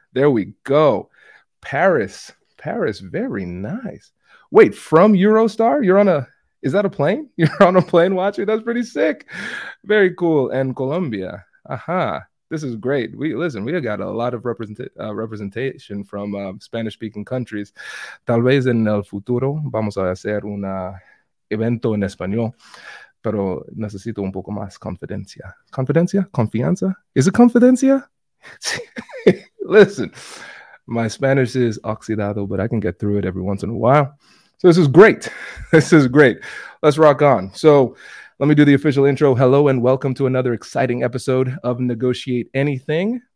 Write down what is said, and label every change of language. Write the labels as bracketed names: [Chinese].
[English] There we go. Paris. Very nice. Wait, from Eurostar? Is that a plane? You're on a plane watching? That's pretty sick. Very cool. And Colombia. Aha. Uh-huh. This is great. We have got a lot of representation from Spanish-speaking countries. [Spanish] Tal vez en el futuro vamos a hacer un evento en español. Pero necesito un poco más confidencia. [English] Confidencia? Confianza? Is it confidencia? Listen, my Spanish is oxidado, but I can get through it every once in a while. So this is great. This is great. Let's rock on. So let me do the official intro. Hello and welcome to another exciting episode of Negotiate Anything.